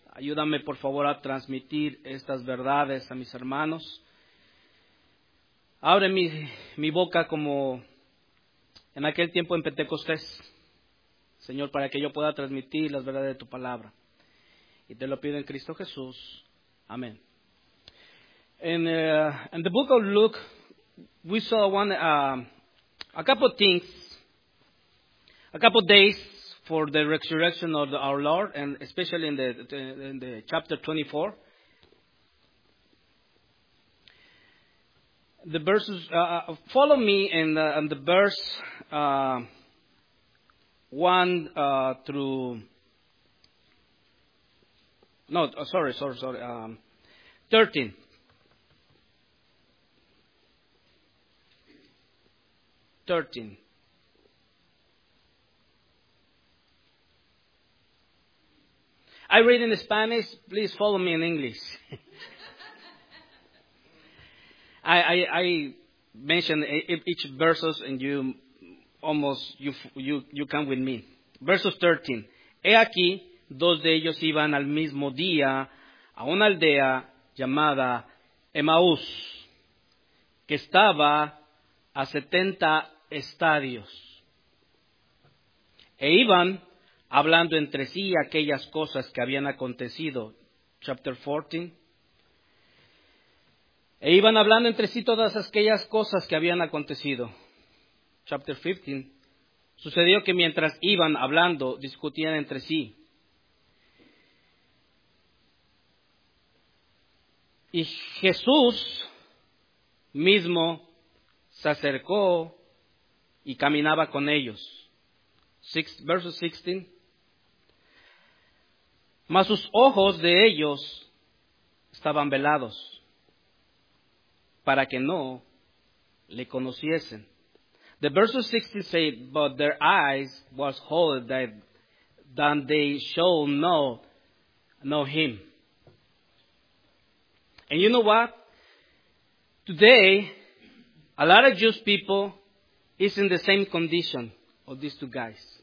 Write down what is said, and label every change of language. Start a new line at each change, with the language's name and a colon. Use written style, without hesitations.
Spanish: Ayúdame por favor a transmitir estas verdades a mis hermanos. Abre mi boca como en aquel tiempo en Pentecostés, Señor, para que yo pueda transmitir las verdades de tu palabra. Y te lo pido en Cristo Jesús. Amén.
English: In the book of Luke, we saw a couple of days for the resurrection of our Lord, and especially in the chapter 24. The verses, follow me in the verse 1 through, no, sorry, 13. I read in Spanish. Please follow me in English. I mentioned each verses, and you come with me.
Spanish: Versos 13. He aquí, dos de ellos iban al mismo día a una aldea llamada Emaús, que estaba a 70 estadios. E iban hablando entre sí aquellas cosas que habían acontecido.
English: Chapter 14.
Spanish: E iban hablando entre sí todas aquellas cosas que habían acontecido.
English: Chapter 15.
Spanish: Sucedió que mientras iban hablando, discutían entre sí. Y Jesús mismo se acercó y caminaba con ellos. Verso 16. Mas sus ojos de ellos estaban velados, para que no le conociesen.
English: The verse 16 said, but their eyes was holy that they shall know him. And you know what? Today, a lot of Jewish people is in the same condition of these two guys.